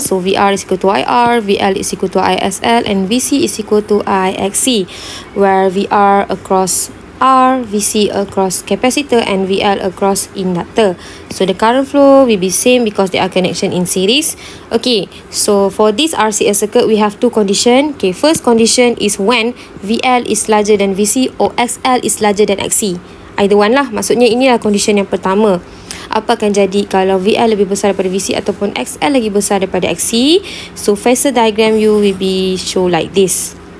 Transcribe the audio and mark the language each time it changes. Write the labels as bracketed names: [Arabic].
[English] So VR is equal to IR, VL is equal to ISL and VC is equal to IXC, where VR across R, VC across capacitor and VL across inductor. So the current flow will be same because they are connection in series. Okay, so for this RCL circuit, we have two condition. Okay, first condition is when VL is larger than VC or XL is larger than XC. Either one lah. [Malay] Maksudnya inilah condition yang pertama. Apa akan jadi kalau VL lebih besar daripada VC ataupun XL lagi besar daripada XC? [English] So phasor diagram you will be show like this.